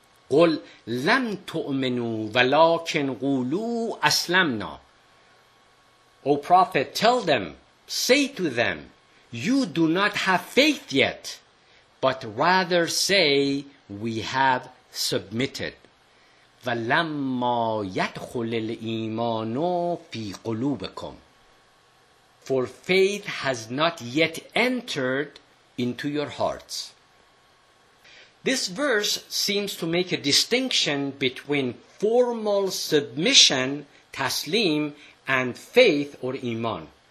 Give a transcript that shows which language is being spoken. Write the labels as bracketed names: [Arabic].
[Arabic] قل لم تؤمنوا ولكن قولوا أسلمنا. [English] O Prophet, tell them, say to them, you do not have faith yet, but rather say, we have submitted. [Arabic] ولما يدخل الإيمان في قلوبكم. [English] For faith has not yet entered into your hearts. This verse seems to make a distinction between formal submission, taslim, and faith or iman.